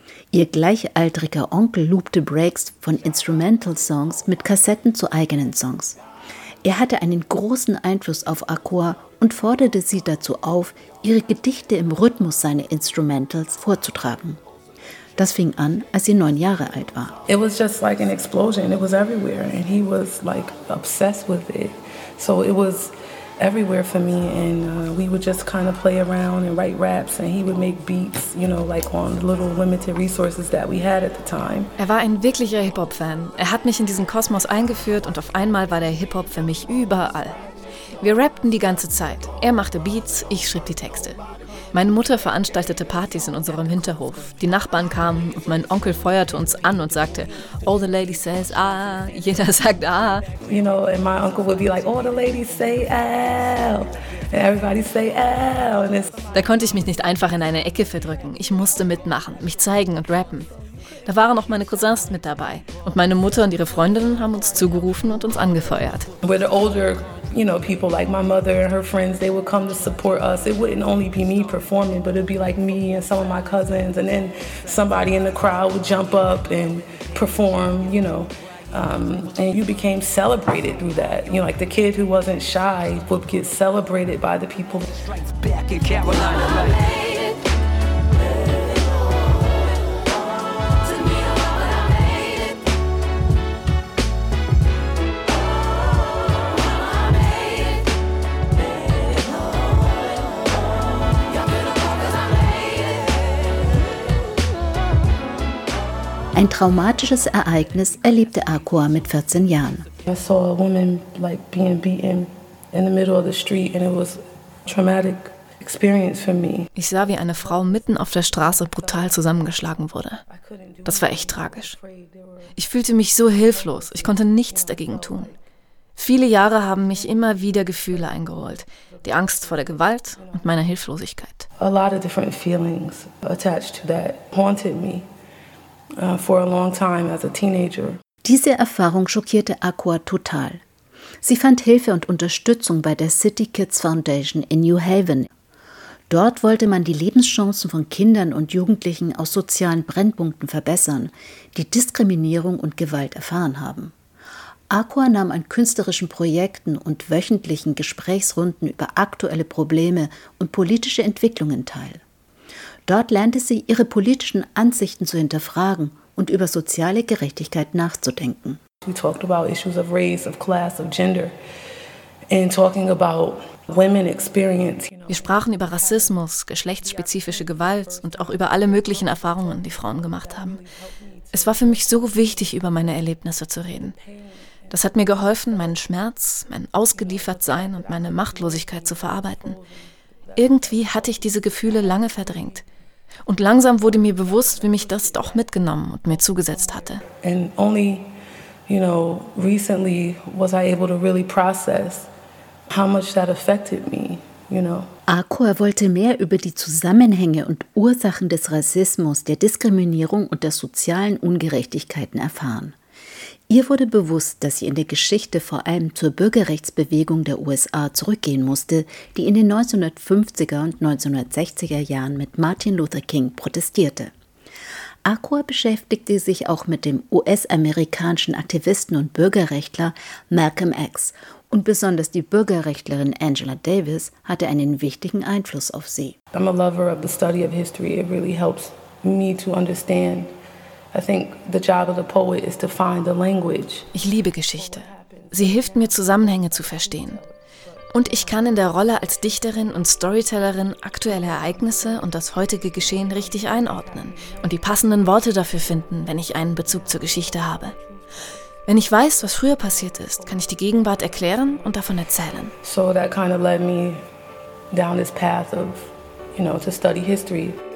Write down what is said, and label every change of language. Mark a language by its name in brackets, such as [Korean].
[German] Ihr gleichaltriger Onkel loopte Breaks von Instrumental-Songs mit Kassetten zu eigenen Songs. Er hatte einen großen Einfluss auf Akua und forderte sie dazu auf, ihre Gedichte im Rhythmus seiner Instrumentals vorzutragen. Das fing an, als sie 9 Jahre alt war. [English] It was just like an explosion. It was everywhere, and he was like obsessed with it. So it was everywhere for me, and we would just kind of play around and write raps, and he would make beats, you know, like on little limited resources that we had at the time. [German] Er war ein wirklicher Hip-Hop-Fan. Er hat mich in diesen Kosmos eingeführt, und auf einmal war der Hip-Hop für mich überall. Wir rappten die ganze Zeit. Er machte Beats, ich schrieb die Texte. Meine Mutter veranstaltete Partys in unserem Hinterhof. Die Nachbarn kamen und mein Onkel feuerte uns an und sagte, [English] all the ladies says ah, [German] jeder sagt ah. [English] You know, and my uncle would be like, all the ladies say ah, and everybody say ah. And it's [German] da konnte ich mich nicht einfach in eine Ecke verdrücken. Ich musste mitmachen, mich zeigen und rappen. Da waren auch meine Cousins mit dabei. Und meine Mutter und ihre Freundinnen haben uns zugerufen und uns angefeuert. [English] We're the older, you know, people like my mother and her friends, they would come to support us. It wouldn't only be me performing, but it'd be like me and some of my cousins. And then somebody in the crowd would jump up and perform, you know. And you became celebrated through that. You know, like the kid who wasn't shy would get celebrated by the people. Strikes back in Carolina. [German] Ein traumatisches Ereignis erlebte Akua mit 14 Jahren. [English] I saw a woman like being beaten in the middle of the street, and it was a traumatic experience for me. [German] Ich sah, wie eine Frau mitten auf der Straße brutal zusammengeschlagen wurde. Das war echt tragisch. Ich fühlte mich so hilflos. Ich konnte nichts dagegen tun. Viele Jahre haben mich immer wieder Gefühle eingeholt. Die Angst vor der Gewalt und meiner Hilflosigkeit. [English] A lot of different feelings attached to that haunted me. For a long time as a teenager. [German] Diese Erfahrung schockierte Akua total. Sie fand Hilfe und Unterstützung bei der City Kids Foundation in New Haven. Dort wollte man die Lebenschancen von Kindern und Jugendlichen aus sozialen Brennpunkten verbessern, die Diskriminierung und Gewalt erfahren haben. Akua nahm an künstlerischen Projekten und wöchentlichen Gesprächsrunden über aktuelle Probleme und politische Entwicklungen teil. Dort lernte sie, ihre politischen Ansichten zu hinterfragen und über soziale Gerechtigkeit nachzudenken. [English] We talked about issues of race, of class, of gender, and talking about women experience. [German] Wir sprachen über Rassismus, geschlechtsspezifische Gewalt und auch über alle möglichen Erfahrungen, die Frauen gemacht haben. Es war für mich so wichtig, über meine Erlebnisse zu reden. Das hat mir geholfen, meinen Schmerz, mein Ausgeliefertsein und meine Machtlosigkeit zu verarbeiten. Irgendwie hatte ich diese Gefühle lange verdrängt. Und langsam wurde mir bewusst, wie mich das doch mitgenommen und mir zugesetzt hatte. [English] And only, you know, recently was I able to really process how much that affected me, you know. [German] Akua wollte mehr über die Zusammenhänge und Ursachen des Rassismus, der Diskriminierung und der sozialen Ungerechtigkeiten erfahren. Ihr wurde bewusst, dass sie in der Geschichte vor allem zur Bürgerrechtsbewegung der USA zurückgehen musste, die in den 1950er und 1960er Jahren mit Martin Luther King protestierte. Akua beschäftigte sich auch mit dem US-amerikanischen Aktivisten und Bürgerrechtler Malcolm X, und besonders die Bürgerrechtlerin Angela Davis hatte einen wichtigen Einfluss auf sie. [English] I'm a lover of the study of history. It really helps me to understand. I think the job of the poet is to find the language. [German] Ich liebe Geschichte. Sie hilft mir, Zusammenhänge zu verstehen. Und ich kann in der Rolle als Dichterin und Storytellerin aktuelle Ereignisse und das heutige Geschehen richtig einordnen und die passenden Worte dafür finden, wenn ich einen Bezug zur Geschichte habe. Wenn ich weiß, was früher passiert ist, kann ich die Gegenwart erklären und davon erzählen. [English] So that kind of led me down this path of, you know, to study history.